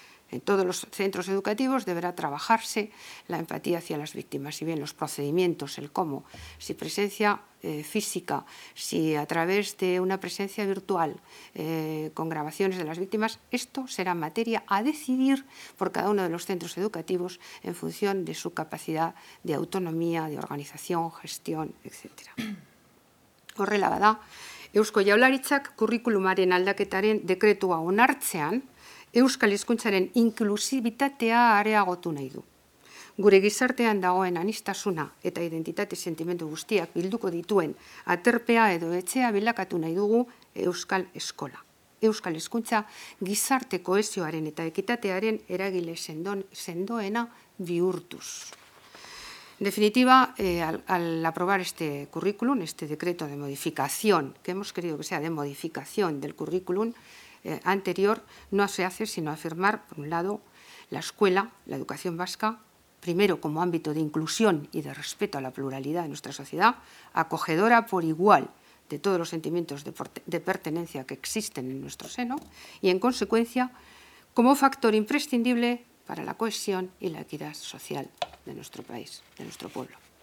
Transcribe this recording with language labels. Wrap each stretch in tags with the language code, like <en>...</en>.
<es>En todos los centros educativos deberá trabajarse la empatía hacia las víctimas, si bien los procedimientos, el cómo, si presencia física, si a través de una presencia virtual con grabaciones de las víctimas, esto será materia a decidir por cada uno de los centros educativos en función de su capacidad de autonomía, de organización, gestión, etc.</es> <eu>Horrela bada, Eusko Jaularitzak kurrikulumaren aldaketaren dekretua onartzean, Euskal Hizkuntzaren inklusibitatea areagotu nahi du. Gure gizartean dagoen anistasuna eta identitate sentimendu guztiak bilduko dituen aterpea edo etxea bilakatu nahi dugu Euskal Eskola. Euskal Hizkuntza gizarte kohesioaren eta ekitatearen eragile sendoena bihurtuz.</eu> <es>En definitiva, al aprobar este currículum, este decreto de modificación, que hemos querido que sea de modificación del currículum, anterior, no se hace sino afirmar, por un lado, la escuela, la educación vasca, primero como ámbito de inclusión y de respeto a la pluralidad de nuestra sociedad, acogedora por igual de todos los sentimientos de pertenencia que existen en nuestro seno y, en consecuencia, como factor imprescindible para la cohesión y la equidad social de nuestro país, de nuestro pueblo.</es>